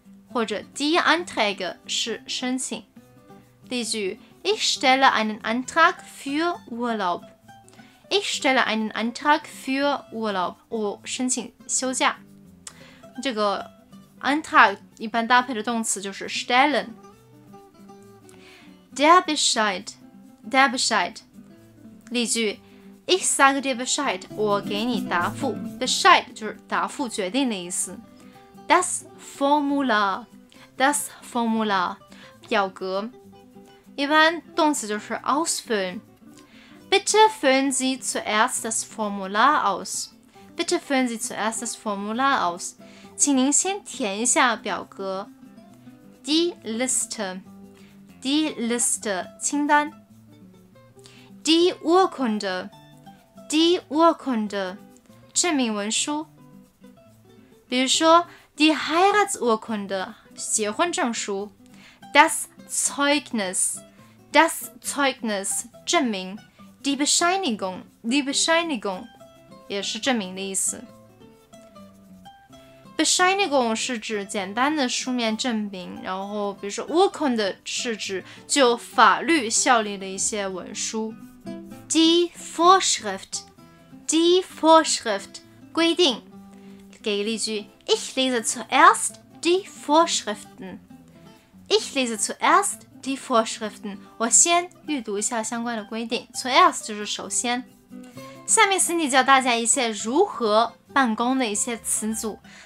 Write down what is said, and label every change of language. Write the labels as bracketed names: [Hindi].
[Chinese] 或者 [German] Die Anträge [Chinese] 是申请。 [German] 例句 Ich stelle einen Antrag für Urlaub, [Chinese] 我申请休假。这个 Antrag 一般搭配的动词就是 stellen。 [German] Der Bescheid, 例句 Ich sage dir Bescheid, [Chinese] 我给你答复。 Bescheid 就是答复决定的意思。 [German] Das Formular, [Chinese] 表格一般动词就是 ausfüllen. [German] Bitte füllen Sie zuerst das Formular aus. Bitte füllen Sie zuerst das Formular aus. [Chinese] 请您先填一下表格. [German] Die Liste. Die Liste. 清单.Die Urkunde. Die Urkunde. 证明文书. [Chinese] 比如说, die Heiratsurkunde. 结婚证书. [German] Das Zeugnis. Das Zeugnis. 证明.Die Bescheinigung. Die Bescheinigung. [Chinese] 也是证明的意思. Bescheinigung 是指简单的书面证明, 然后比如说Urkunde是指具有法律效力的一些文书. [German] Die Vorschrift. Die Vorschrift. 规定. [Chinese] 给例句, [German] ich lese zuerst die Vorschriften. Ich lese zuerst die Vorschriften. [Chinese] 我先阅读一下相关的规定.Zuerst就是首先. 下面Cindy教大家一些如何办公的一些词组。